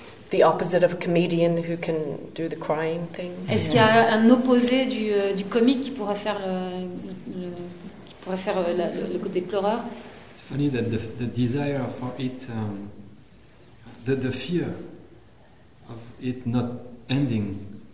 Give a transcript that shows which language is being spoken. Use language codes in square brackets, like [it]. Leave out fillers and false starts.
[en] The opposite of a comedian who can do the crying thing? [fr] Est-ce qu'il y a un opposé du comique qui pourrait faire le côté pleureur? [en] It's funny that the desire for it, the fear of it not ending.